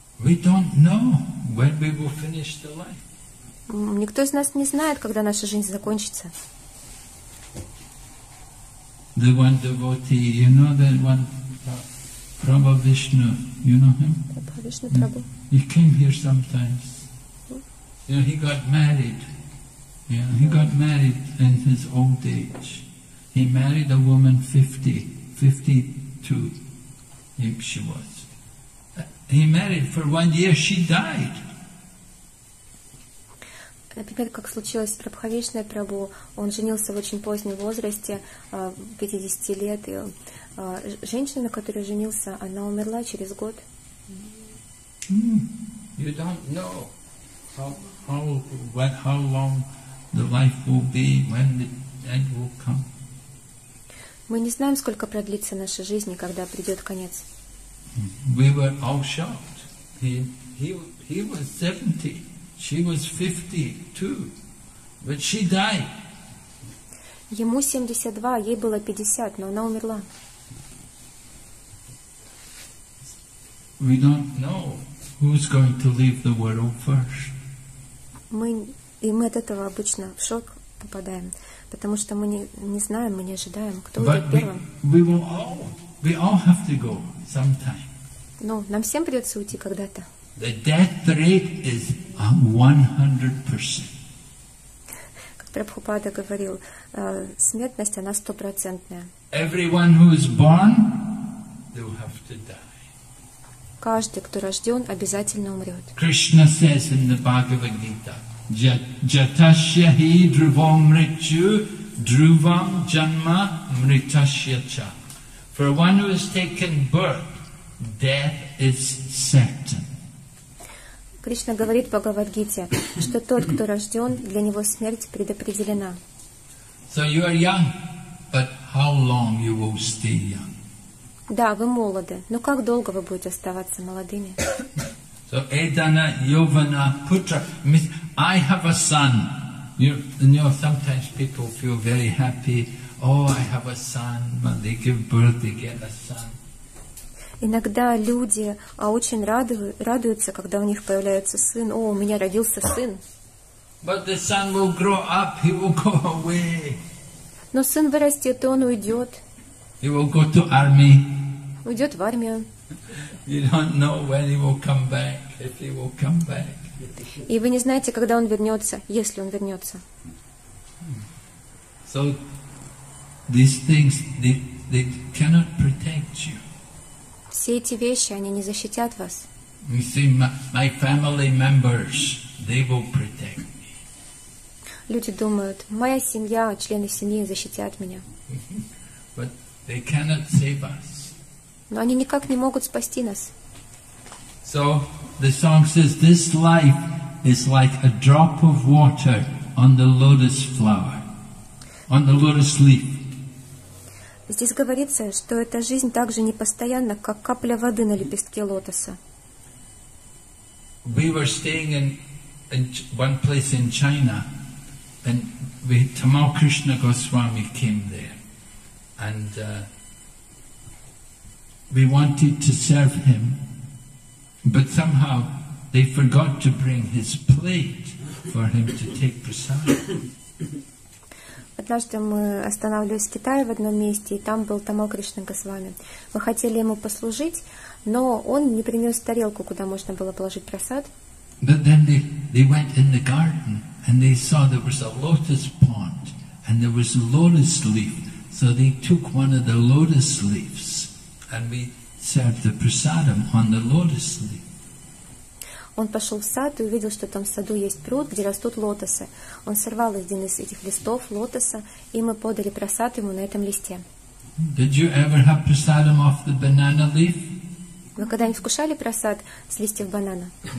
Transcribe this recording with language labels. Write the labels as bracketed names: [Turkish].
[English] We don't know when we will finish the life. [Russian] Никто из нас не знает, когда наша жизнь закончится. [English] The one devotee, you know that one, Prabhu Vishnu, you know him? Prabhu. He came here sometimes. You know, he got married. Yeah, he got married in his old age. He married a woman 52, I think she was. He married for 1 year, she died. [Russian] Например, как случилось с Прабхавишной Прабу, он женился в очень позднем возрасте, 50 лет, и женщина, на которой женился, она умерла через год. [English] You don't know how long the life will be, when the end will come. [Russian] Мы не знаем, сколько продлится наша жизнь, когда придет конец. [English] We were all shocked. He was 70. She was 52, but she died. [Russian] Ему 72, ей было 50, но она умерла. [English] We don't know who's going to leave the world first. [Russian] Мы от этого обычно в шок попадаем, потому что мы не знаем, мы не ожидаем, кто будет первым. [English] But we all have to go sometime. [Russian] Ну, нам всем придется уйти когда-то. [English] The death rate is 100%. [Russian] Как Прабхупада говорил, смертность, она стопроцентная. [English] Everyone who is born, they will have to die. [Russian] Каждый, кто рожден, обязательно умрет. [English] Krishna says in the Bhagavad Gita, [Sanskrit] Jatashya hi dhruvam mrityu, dhruvam janma mrityasya cha. [English] For one who has taken birth, death is certain. [Russian] Кришна говорит в Бхагавад-гите, что тот, кто рожден, для него смерть предопределена. [English] So you are young, but how long you will stay young? [Russian] Да, вы молоды, но как долго вы будете оставаться молодыми? [English] So Edana, Yovana, Putra, I have a son. You know, sometimes people feel very happy. Oh, I have a son. When they give birth, they get a son. [Russian] Иногда люди очень радуются, когда у них появляется сын. О, у меня родился сын. [English] But the son will grow up, he will go away. [Russian] Но сын вырастет, и он уйдет. [English] He will go to army. [Russian] Уйдет в армию. [English] You don't know when he will come back, if he will come back. [Russian] И вы не знаете, когда он вернется, если он вернется. [English] So these things, they cannot protect you. [Russian] Все эти вещи, они не защитят вас. [English] You see, my family members, they will protect me. [Russian] Люди думают, моя семья, члены семьи защитят меня. [English] But they cannot save us. [Russian] Но они никак не могут спасти нас. [English] So the song says this life is like a drop of water on the lotus flower, on the lotus leaf. [Russian] Здесь говорится, что эта жизнь так же непостоянна, как капля воды на лепестке лотоса. [English] We were staying in one place in China, and Tamal Krishna Goswami came there, and we wanted to serve him, but somehow they forgot to bring his plate for him to take prasad. [Russian] Однажды мы останавливались в Китае в одном месте, и там был Тамал Кришна Госвами. Мы хотели ему послужить, но он не принес тарелку, куда можно было положить просад. [English] But then they went in the garden and they saw there was a lotus pond and there was a lotus leaf. So they took one of the lotus leaves and we served the prasadam on the lotus leaf. [Russian] Он пошел в сад и увидел, что там в саду есть пруд, где растут лотосы. Он сорвал один из этих листов лотоса, и мы подали просад ему на этом листе. [English] Did you ever have prasadam off the banana leaf? [Russian] Вы когда-нибудь вкушали просад с листьев банана?